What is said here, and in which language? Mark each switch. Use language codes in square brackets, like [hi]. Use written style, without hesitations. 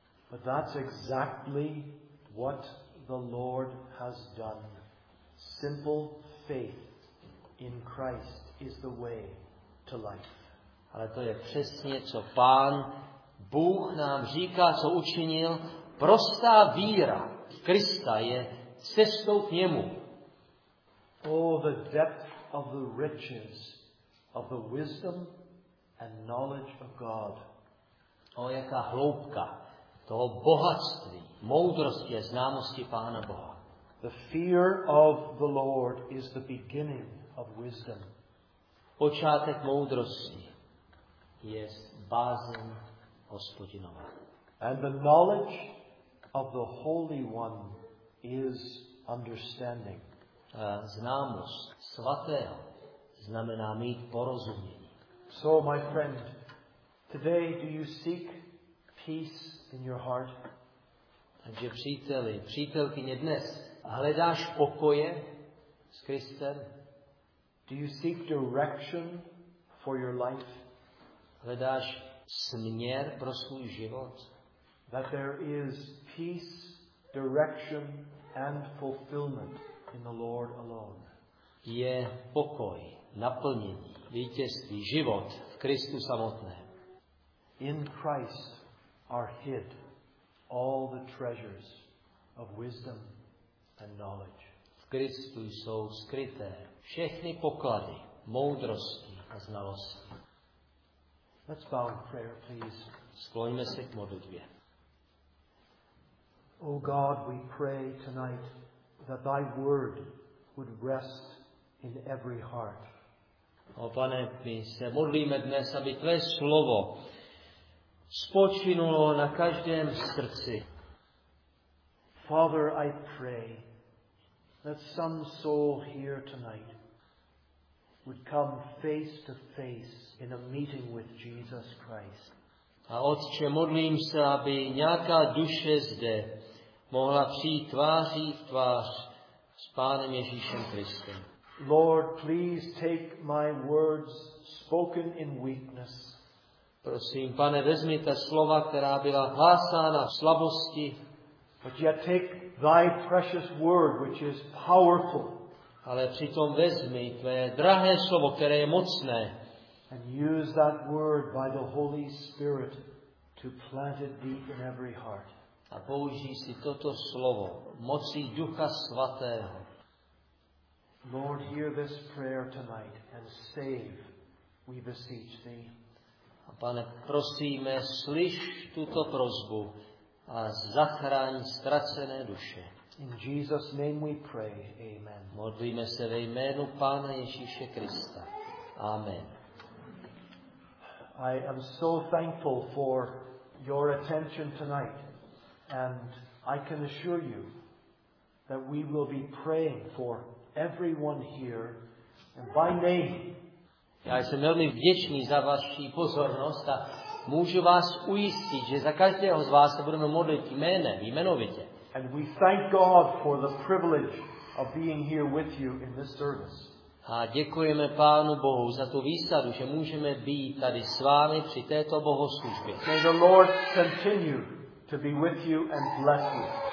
[en] But that's exactly what the Lord has done. Simple faith in Christ is the way to life. [cs] Ale to je přesně, co Pán Bůh nám říká, co učinil. Prostá víra v Krista je cestou k němu. [en] Oh, the depth of the riches of the wisdom and knowledge of God. [cs] O, jaká hloubka toho bohatství, moudrosti a známosti Pána Boha. [en] The fear of the Lord is the beginning of wisdom. [cs] Počátek moudrosti je bázeň Hospodinova. [en] And the knowledge of the Holy One is understanding. [cs] Známost svatého znamená mít porozumění. [en] So my friend, today do you seek peace in your heart? [cs] Takže příteli, přítelkyně, dnes hledáš pokoje s Kristem? [en] Do you seek direction for your life? [cs] Hledáš směr pro svůj život? [en] That there is peace, direction and fulfillment in the Lord alone. [cs] Je pokoj, naplnění, vítězství, život v Kristu samotném. [en] In Christ are hid all the treasures of wisdom and knowledge. [cs] V Kristu jsou skryté všechny poklady moudrosti a znalosti. [en] Let's bow in prayer, please. [cs] Skloňme se k modlitbě. [en] O God, we pray tonight that thy word would rest in every heart. [cs] O Pane, my se modlíme dnes, aby tvé slovo spočinulo na každém srdci. [en] Father, I pray that some soul here tonight would come face to face in a meeting with Jesus Christ. [cs] A Otče, modlím se, aby nějaká duše zde mohla přijít tváří v tvář s Pánem Ježíšem Kristem. [en] Lord, please take my words spoken in weakness. [cs] Prosím, Pane, vezmi ta slova, která byla hlásána v slabosti. [en] But yet take thy precious word, which is powerful. [cs] Ale přitom vezmi tvé drahé slovo, které je mocné. [en] And use that word by the Holy Spirit to plant it deep in every heart. [cs] A použij si toto slovo mocí Ducha svatého. [en] Lord, hear this prayer tonight and save, we beseech thee. [cs] A Pane, prosíme, slyš tuto prosbu a zachraň ztracené duše. [en] In Jesus' name we pray. Amen. [cs] Modlíme se ve jménu Pána Ježíše Krista. Amen. [en] I am so thankful for your attention tonight, and I can assure you that we will be praying for everyone here and by name. [cs] Já jsem velmi vděčný za vaši pozornost a můžu vás ujistit, že za každého z vás se budeme modlit jménem, jmenovitě. [en] And we thank God for the privilege of being here with you in this service. [cs] A děkujeme Pánu Bohu za tu výsadu, že můžeme být tady s vámi při této bohoslužbě. [en] May the Lord continue to be with you and bless you.